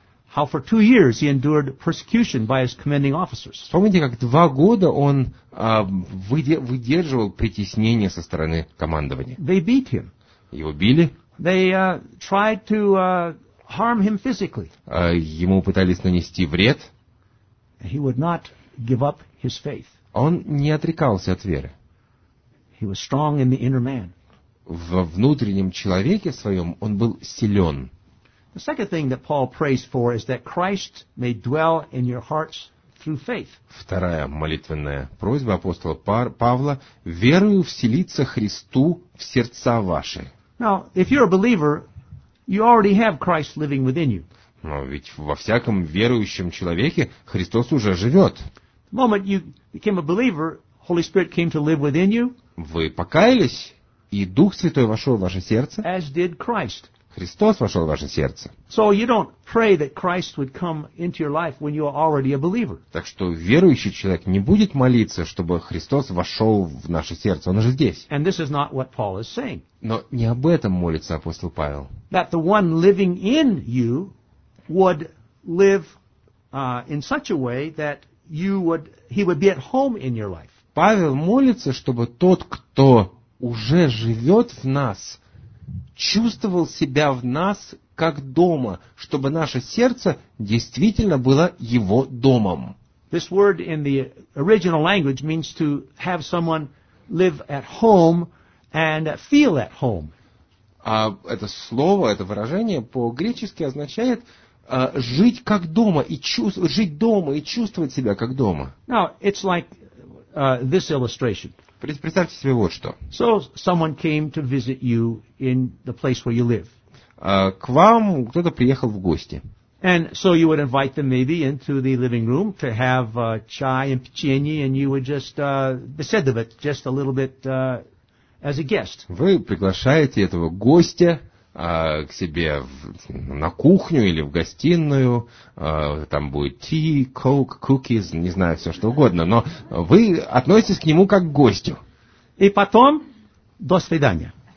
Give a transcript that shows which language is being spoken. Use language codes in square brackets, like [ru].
[en] How for 2 years he endured persecution by his commanding officers. [ru] Вспомните, как 2 года он выдерживал притеснение со стороны командования. [en] They beat him. [ru] Его били. [en] They tried to harm him physically. [ru] Ему пытались нанести вред. [en] He would not give up his faith. [ru] Он не отрекался от веры. [en] He was strong in the inner man. [ru] Во внутреннем человеке своем он был силен. [en] The second thing that Paul prays for is that Christ may dwell in your hearts through faith. [ru] Вторая молитвенная просьба апостола Павла: верую вселиться Христу в сердца ваши. [en] Now, if you're a believer, you already have Christ living within you. [ru] Но ведь во всяком верующем человеке Христос уже живет. [en] The moment you became a believer, Holy Spirit came to live within you. [ru] Вы покаялись, и Дух Святой вошел в ваше сердце. [en] As did Christ. [ru] Христос вошел в ваше сердце. [en] So you don't pray that Christ would come into your life when you are already a believer. [ru] Так что верующий человек не будет молиться, чтобы Христос вошел в наше сердце. Он уже здесь. [en] And this is not what Paul is saying. [ru] Но не об этом молится апостол Павел. [en] That the one living in you would live in such a way that you would he would be at home in your life. [ru] Павел молится, чтобы тот, кто уже живет в нас, чувствовал себя в нас как дома, чтобы наше сердце действительно было его домом. [en] This word in the original language means to have someone live at home and feel at home. [ru] А это слово, это выражение по-гречески означает жить как дома и жить дома и чувствовать себя как дома. [en] Now, it's like this illustration. [ru] Представьте себе вот что. [en] So someone came to visit you in the place where you live. [ru] К вам кто-то приехал в гости. [en] And so you would invite them maybe into the living room to have chai and [ru] печенье, [en] and you would just [ru] беседовать [en] just a little bit as a guest. [ru] Вы приглашаете этого гостя к себе на кухню или в гостиную, там будет [en] tea, coke, cookies, [ru] не знаю, все что угодно, но вы относитесь к нему как к гостю. И потом, до свидания.